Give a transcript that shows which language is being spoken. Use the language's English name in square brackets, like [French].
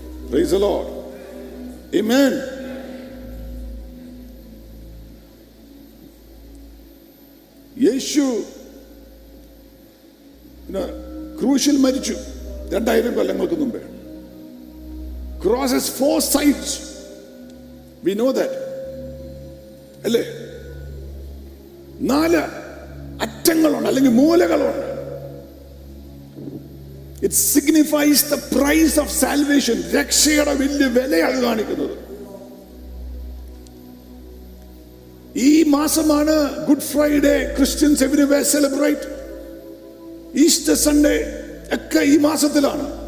[English] Praise the Lord. [Malayalam] ആമേൻ. യേശു ക്രൂശിൽ മരിച്ചു 2000 കൊല്ലങ്ങൾക്ക് മുമ്പേ. [English] Cross has 4 sides. We know that. [Malayalam] അല്ലേ? നാല് അറ്റങ്ങളുണ്ട് അല്ലെങ്കിൽ മൂലകളുണ്ട്. [English] it signifies the price of salvation, [Malayalam] രക്ഷയുടെ വലിയ വിലയാണ് കാണിക്കുന്നത്. ഈ മാസമാണ് [English] Good Friday Christians everywhere celebrate, [Malayalam] Easter Sunday ഒക്കെ ഈ മാസത്തിലാണ്.